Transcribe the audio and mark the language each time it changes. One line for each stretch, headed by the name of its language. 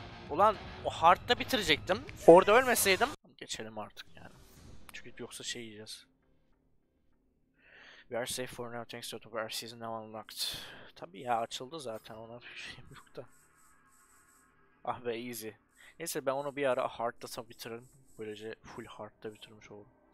Turkish: Ulan o hard'da bitirecektim. Orada ölmeseydim. Geçelim artık yani. Çünkü yoksa şey yiyeceğiz.
English: We are safe for now thanks to the VR season now unlocked.
Turkish: Tabi ya açıldı zaten, ona bir şeyim yok da. Ah be easy. Neyse ben onu bir ara hard'da tabi bitiririm. Böylece full hard'da bitirmiş olurum.